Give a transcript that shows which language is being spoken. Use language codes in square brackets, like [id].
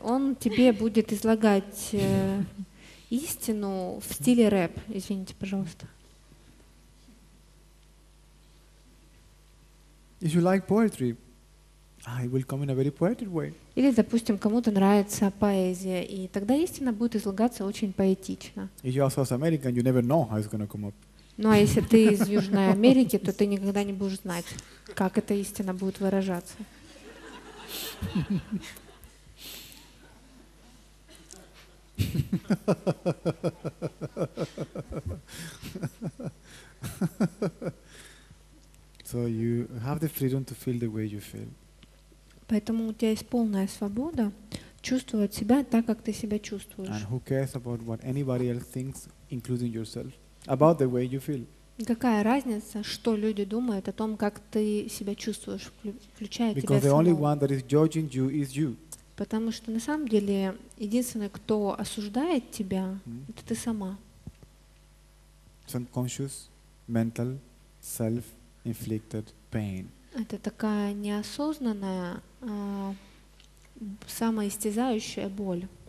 [ru] Он тебе будет излагать истину в стиле рэп. Извините, пожалуйста. [en] If you like poetry, it will come in a very poetic way. [ru] Или, допустим, кому-то нравится поэзия, и тогда истина будет излагаться очень поэтично. [en] If you are South American, you never know how it's going to come up. [ru] Ну, а если ты из Южной Америки, то ты никогда не будешь знать, как эта истина будет выражаться. [en] So you have the freedom to feel the way you feel. [ru] Поэтому у тебя есть полная свобода чувствовать себя так, как ты себя чувствуешь. [en] And who cares about what anybody else thinks, including yourself? About the way you feel. [ru] Какая разница, что люди думают о том, как ты себя чувствуешь, включая тебя самого? [en] Because the only one that is judging you is you. [ru] Потому что на самом деле единственный, кто осуждает тебя, это ты сама. [en] Subconscious, mental, self-inflicted pain. [ru] Это такая неосознанная, самоистязающая боль.